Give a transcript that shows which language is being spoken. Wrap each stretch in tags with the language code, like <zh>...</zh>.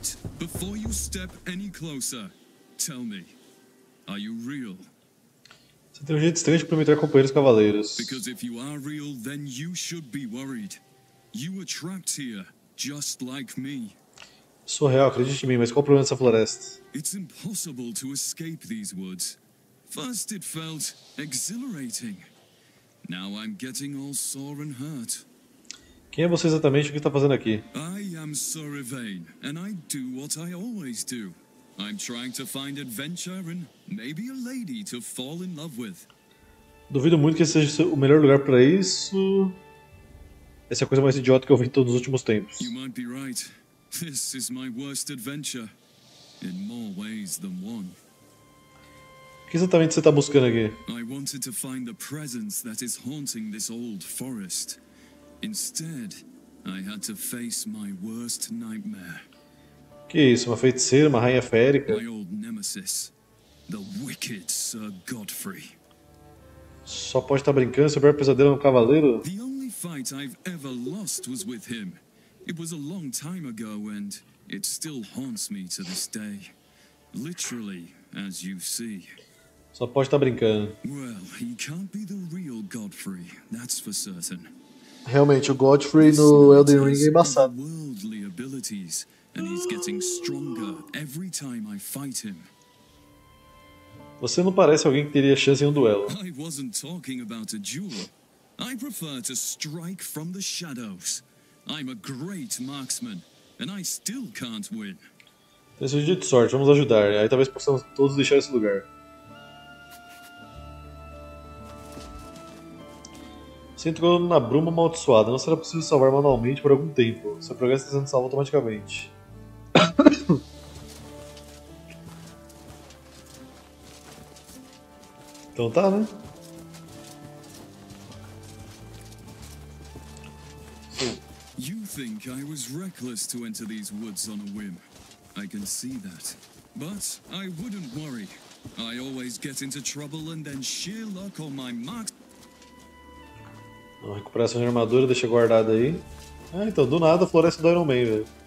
<en>Wait, before you step any closer, tell me, are you real?</en> <pt>Você tem um jeito estranho de cumprimentar companheiros cavaleiros.</pt> <en>Because if you are real, then you should be worried. You were trapped here, just like me.</en> <pt>Sou real, acredite em mim, mas qual o problema dessa floresta?</pt> <en>It's impossible to escape these woods. First it felt exhilarating. Now I'm getting all sore and hurt.</en> <pt>Quem é você exatamente? O que está fazendo aqui?</pt> <en>I am Surivane, and I do what I always do. I'm trying to find adventure and maybe a lady to fall in love with.</en> <pt>Duvido muito que esse seja o melhor lugar para isso. Essa é a coisa mais idiota que eu vi em todos os últimos tempos.</pt> <en>You might be right. This is my worst adventure, in more ways than one.</en> <pt>O que exatamente você está buscando aqui?</pt> <en>I wanted to find the presence that is haunting this old forest. Instead, I had to face my worst nightmare.</en> <pt>Que isso, uma feiticeira, uma rainha férica?</pt> <en>My old nemesis, the wicked Sir Godfrey.</en> <pt>Só pode estar brincando, seu pior pesadelo é um cavaleiro?</pt> <en>The only fight I've ever lost was with him. It was a long time ago, and it still haunts me to this day. Literally, as you see.</en> <pt>Só pode estar brincando.</pt> <en>Well, he can't be the real Godfrey, that's for certain.</en> <pt>Realmente, o Godfrey no Elden Ring é embaçado.</pt> <en>Worldly abilities, and he's getting stronger every time I fight him.</en> <pt>Você não parece alguém que teria chance em um duelo.</pt> <en>I wasn't talking about a duel. I prefer to strike from the shadows. I'm a great marksman, and I still can't win.</en> <pt>Tem sujeito de sorte, vamos ajudar. Aí talvez possamos todos deixar esse lugar. Você entrou na bruma amaldiçoada. Não será possível salvar manualmente por algum tempo. Seu progresso está sendo salvo automaticamente. Então tá, né?</pt> <en>You think I was reckless to enter these woods on a whim. I can see that. But I wouldn't worry. I always get into trouble and then sheer luck on my marks.</en> <pt>Uma recuperação de armadura, deixa guardada aí. Ah, então, do nada, a floresta do Iron Man, velho.</pt>